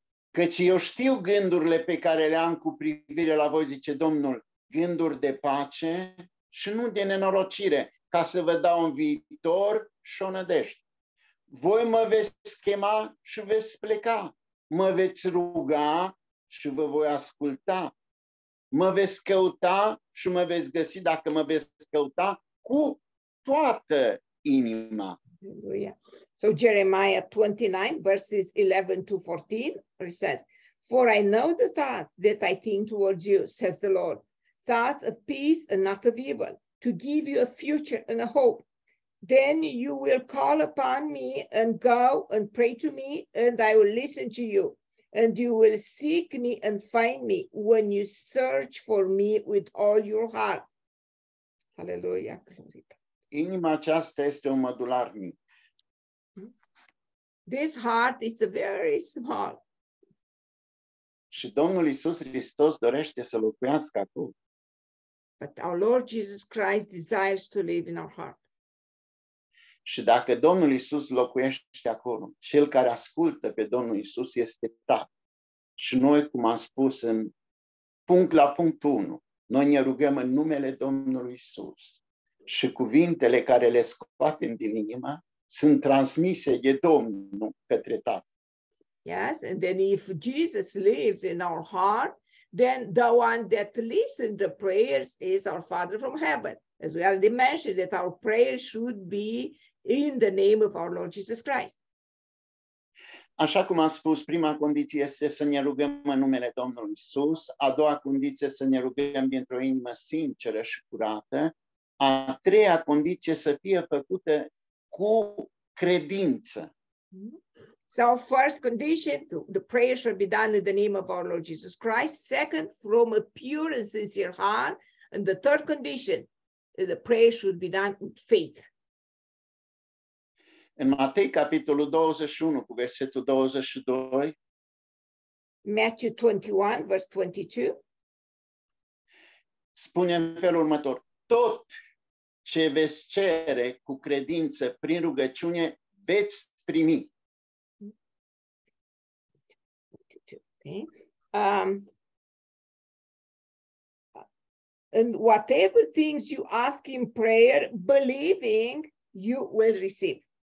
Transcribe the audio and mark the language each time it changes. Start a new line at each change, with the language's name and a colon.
Romanian: Căci eu știu gândurile pe care le am cu privire la voi, zice Domnul, gânduri de pace și nu de nenorocire, ca să vă dau un viitor și o nădejde. Voi mă veți chema și veți pleca, mă veți ruga și vă voi asculta, mă veți căuta și mă veți găsi dacă mă veți căuta cu toată inima. Hallelujah.
English: So Jeremiah 29, verses 11 to 14, he says, for I know the thoughts that I think towards you, says the Lord, thoughts of peace and not of evil, to give you a future and a hope. Then you will call upon me and go and pray to me, and I will listen to you. And you will seek me and find me when you search for me with all your heart. Hallelujah.
Romanian: Inima aceasta este un mădular mic.
English: This heart is very small.
Romanian: Și Domnul Iisus Hristos dorește să locuiască acolo.
English: But our Lord Jesus Christ desires to live in our heart.
Romanian: Și dacă Domnul Iisus locuiește acolo, cel care ascultă pe Domnul Iisus este tat. Și noi, cum am spus în punct la punct 1, noi ne rugăm în numele Domnului Iisus. Și cuvintele care le scoatem din inimă sunt transmise de Domnul către Tatăl.
English: Yes, and then if Jesus lives in our heart, then the one that listens to prayers is our Father from heaven. As we already mentioned, that our prayers should be in the name of our Lord Jesus Christ.
Romanian: Așa cum am spus, prima condiție este să ne rugăm în numele Domnului Iisus, a doua condiție să ne rugăm dintr-o inimă sinceră și curată, a treia condiție să fie făcută cu credință.
English: So first condition, the prayer should be done in the name of our Lord Jesus Christ. Second, from a pure and sincere heart. And the third condition, the prayer should be done with faith.
Romanian: În Matei, capitolul 21, cu versetul 22.
English: Matthew 21, verse 22.
Romanian: Spune în felul următor. Tot ce veți cere cu credință prin rugăciune, veți primi.
English: And whatever things you ask in prayer, believing, you will receive.